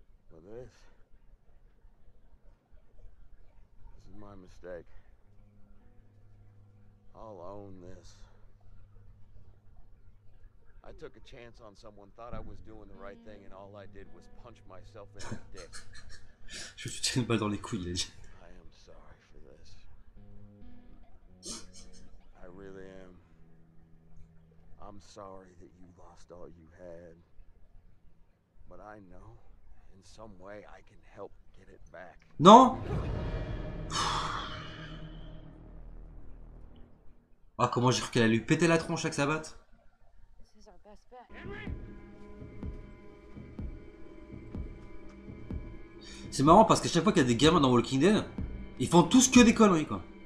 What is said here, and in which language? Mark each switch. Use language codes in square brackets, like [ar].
[en] But this is my mistake. I'll own this. I took a chance on someone, thought I was doing the right thing, and all I did was punch myself in the dick. [fr] Je me suis tiré une balle dans les couilles, les gars. [en] I am sorry for this. I really am. I'm sorry that you lost all you had. But I know, in some way, I can help get it back. [fr] Non. Ah, oh, comment j'ai cru qu'elle allait lui péter la tronche avec sa batte. C'est marrant parce qu'à chaque fois qu'il y a des gamins dans Walking Dead, ils font tous que des conneries, quoi.